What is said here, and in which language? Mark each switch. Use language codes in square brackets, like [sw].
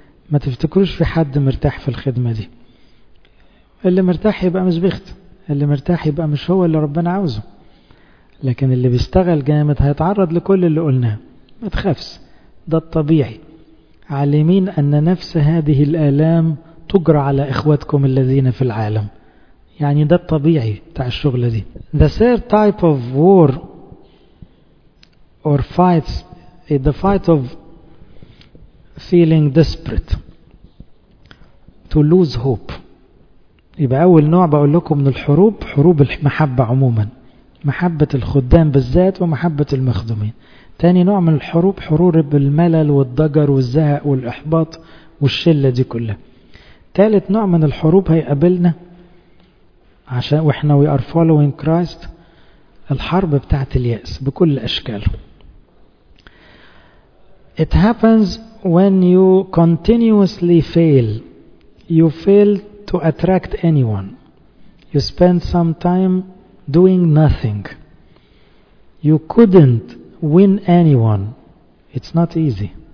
[ar] ما تفتكروش في حد مرتاح في الخدمة دي. اللي مرتاح يبقى مش بيخدم, اللي مرتاح يبقى مش هو اللي ربنا عاوزه. لكن اللي بيشتغل جامد هيتعرض لكل اللي قلناه. ما تخافش, ده الطبيعي. عالمين أن نفس هذه الآلام تجرى على إخواتكم الذين في العالم. يعني ده الطبيعي بتاع الشغلة دي. [en] The third type of war or fights is the fight of feeling desperate to lose hope. [ar] يبقى أول نوع بقول لكم من الحروب, حروب المحبة عموما, محبة الخدام بالذات ومحبة المخدمين. تاني نوع من الحروب حروب بالملل والضجر والزهق والإحباط والشلة دي كلها. تالت نوع من الحروب هيقابلنا عشان واحنا [en] we are following Christ [ar] الحرب بتاعت اليأس بكل أشكال. [en] It happens when you continuously fail. You fail to attract anyone. You spend some time doing nothing. You couldn't win anyone. It's not easy.